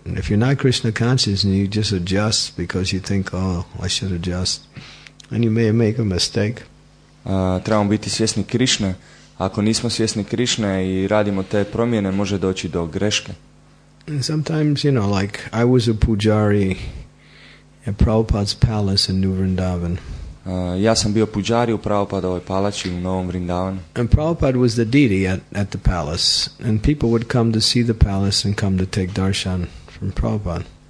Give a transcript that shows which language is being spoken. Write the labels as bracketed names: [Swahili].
[English] If you're not Krishna conscious and you just adjust because you think, oh, I should adjust, and you may make a mistake. [Croatian] Trebamo biti svjesni Krishne. Ako nismo svjesni Krishne i radimo te promjene, može doći do greške. [English] And sometimes, you know, like I was a pujari at Prabhupada's palace in New Vrindavan. [Croatian] Ja sam bio pujari u Prabhupadovoj palači u Novom Vrindavanu. [English] And Prabhupada was the deity at the palace, and people would come to see the palace and come to take darshan from Prabhupada.